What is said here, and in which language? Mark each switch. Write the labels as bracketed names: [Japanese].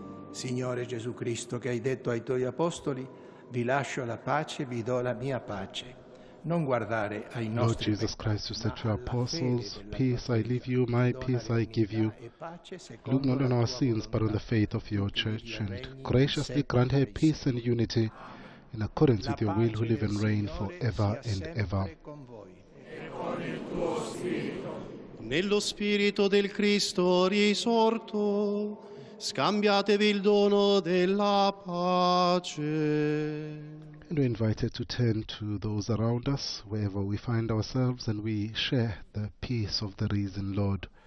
[Italian] Signore Gesù Cristo, che hai detto ai tuoi apostoli: vi lascio la pace, vi do la mia pace. Non guardare ai nostri peccati. [English] Lord Jesus Christ, you said to your apostles: peace I leave you, my peace I give you. Look not on our sins, but on the faith of your church, and graciously grant her peace and unity in accordance with your will, who live and reign forever and ever. [Italian] Nello spirito del Cristo risorto, scambiatevi il dono della pace. [English] And we're invited to turn to those around us, wherever we find ourselves, and we share the peace of the risen Lord.